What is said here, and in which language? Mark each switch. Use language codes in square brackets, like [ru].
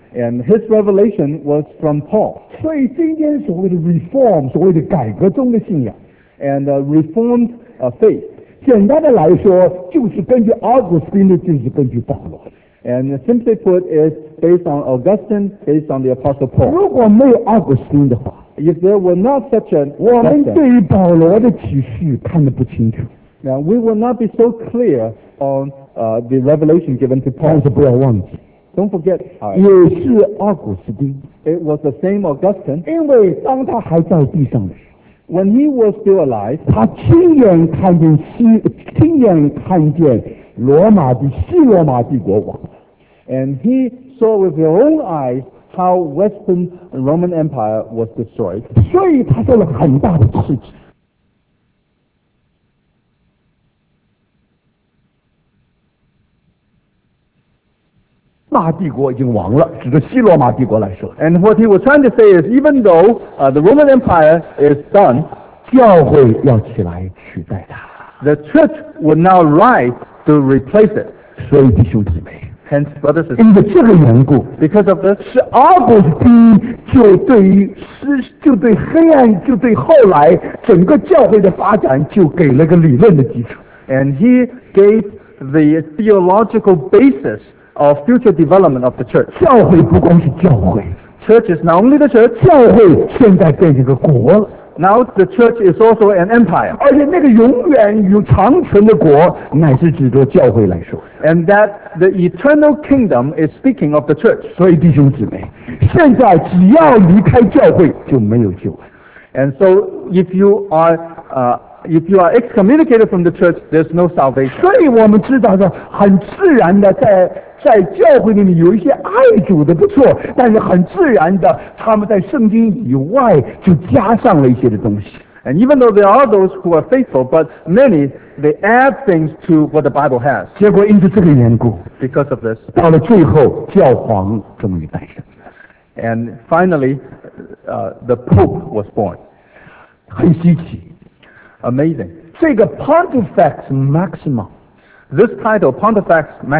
[en] And his revelation was from Paul. [zh] 所以今天所谓的 reform, 所谓的改革中的信仰。 [en] And reformed faith. [zh] 简单的来说就是根据奥古斯丁的就是根据保罗。 [en] And simply put, it's based on Augustine, based on the Apostle Paul. [zh] 如果没有奥古斯丁的话。 [en] If there were not such a [zh] lesson, 我们对于保罗的启示看得不清楚。 [en] Now we will not be so clear on the revelation given to Paul. [zh] 但是不要忘记。 [en] Don't forget, [zh] 也是奥古斯丁。 [en] It was the same Augustine. [zh] 因为当他还在地上的时候。 [en] When he was still alive, [zh] 他亲眼看见罗马的西罗马帝国亡。 [en] And he saw with his own eyes how Western Roman Empire was destroyed. [zh] 所以他受了很大的刺激。大帝国已经亡了，指着西罗马帝国来说。 [en] And what he was trying to say is, even though the Roman Empire is done, [zh] 教会要起来取代它。 [en] The church will now rise to replace it. [zh] 所以弟兄姊妹。 [en] Hence, brothers, [zh] 因为这个缘故 [en] ，because of this, [zh] 是奥古斯丁就对黑暗，就对后来整个教会的发展，就给了个理论的基础。 [en] And he gave the theological basis of future development of the church. [zh] 教会不光是教会 [en] ，church is not only the church. [zh] 教会现在变成个国了。 [en] Now the church is also an empire. [zh] 而且那个永远有长存的国乃是指着教会来说。 [en] And that the eternal kingdom is speaking of the church. [zh] 所以弟兄姊妹，现在只要离开教会就没有救了。 [en] And so if you are excommunicated from the church, there's no salvation. [zh] 所以我们知道的很自然的在教会里面有一些爱主的不错，但是很自然的，他们在圣经以外就加上了一些的东西。 [en] And even though there are those who are faithful, but many they add things to what the Bible has. [zh] 结果因着这个缘故 [en] ，because of this， [zh] 到了最后，教皇终于诞生。 [en] And finally, the Pope was born. [zh] 很稀奇 [en] ，amazing。 [zh] 这个 Pontifex Maximus。 [en] This title, Pontifex Maximus,